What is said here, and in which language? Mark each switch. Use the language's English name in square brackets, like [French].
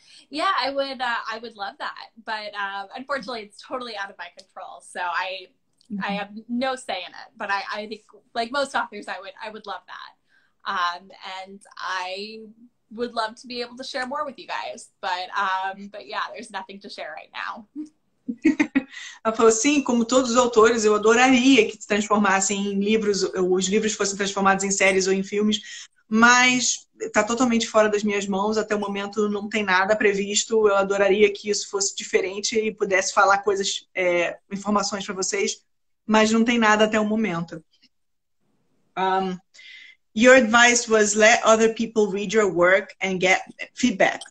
[English] Yeah, I would love that, but unfortunately, it's totally out of my control. So I have no say in it. But I think, like most authors, I would love that, and I would love to be able to share more with you guys. But yeah, there's nothing to share right now. [Portuguese] Ela falou assim, como todos os autores, eu adoraria que se transformassem em livros, os livros fossem transformados em séries ou em filmes, mas está totalmente fora das minhas mãos, até o momento não tem nada previsto. Eu adoraria que isso fosse diferente e pudesse falar coisas, informações para vocês, mas não tem nada até o momento. [English] Your advice was let other people read your work and get feedback.